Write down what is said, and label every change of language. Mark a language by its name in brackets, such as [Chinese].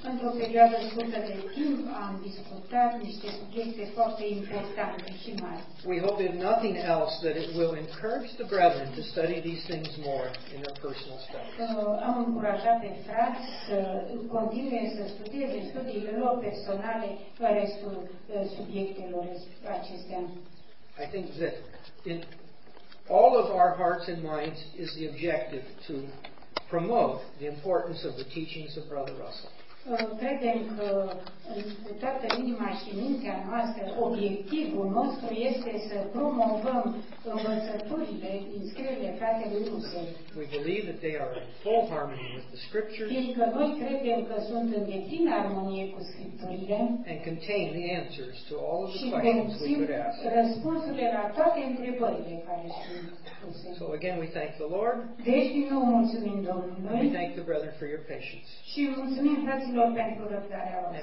[English] We hope, if nothing else, that it will encourage the brethren to study these things more in their personal studies. I think that in all of our hearts and minds is the objective to promote the importance of the teachings of Brother Russell. [Romanian] Credem că de toată inima și mintea noastră obiectivul nostru este să promovăm învățăturile din scrierile fratelui Russell. [English] We believe that they are in full harmony with the scriptures. [Romanian] Fiindcă noi credem că sunt în deplină armonie cu scripturile. [English] And contain the answers to all of the questions we could ask. [Romanian] Răspunsurile la toate întrebările care sunt. [English] So again, we thank the Lord. [Romanian] Deci, din nou, mulțumim Domnului. [English] We thank the brethren for your patience. [Romanian] Și mulțumim fraților pentru răbdarea voastră.